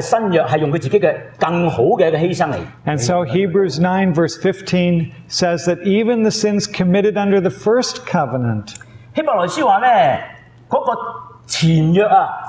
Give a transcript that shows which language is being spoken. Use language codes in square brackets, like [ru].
[zh] 他是認準了這個呢,是那個的同那個的新約是用自己的更好的犧牲來。 [en] And so Hebrews 9 verse 15 says that even the sins committed under the first covenant. [zh] 希伯來書說呢,那個 前約啊,